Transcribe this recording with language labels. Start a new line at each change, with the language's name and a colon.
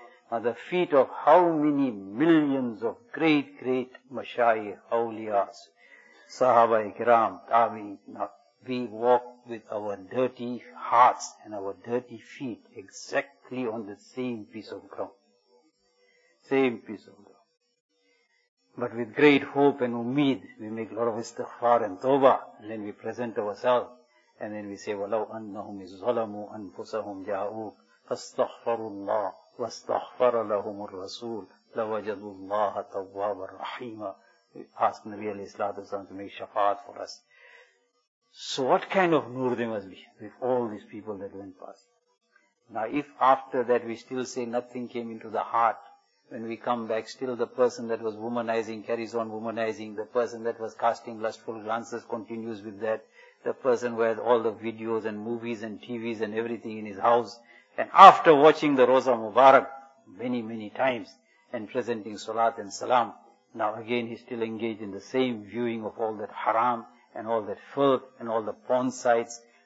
English: Now the feet of how many millions of great, great mashayikh, awliyas, sahaba ikram, tabi'in, we walk with our dirty hearts and our dirty feet exactly on the same piece of ground. Same piece of ground. But with great hope and umid, we make a lot of istighfar and tawbah, and then we present ourselves
Arabic: And then we say, وَلَوْ أَنَّهُمْ ظَلَمُوا أَنفُسَهُمْ جَاءُوكَ فَاسْتَغْفَرُوا اللَّهَ وَاسْتَغْفَرَ لَهُمُ الرَّسُولُ لَوَجَدُوا اللَّهَ تَوَّابًا رَحِيمًا.
English: Ask Nabi alayhi salatu wasalam to make shafaat for us. So what kind of nur they must be with all these people that went past? Now if after that we still say nothing came into the heart, when we come back, still the person that was womanizing carries on womanizing, the person that was casting lustful glances continues with that, the person who has all the videos and movies and TVs and everything in his house, and after watching the Rosa Mubarak many, many times and presenting Salat and Salam, now again he's still engaged in the same viewing of all that haram and all that filth and all the porn sites.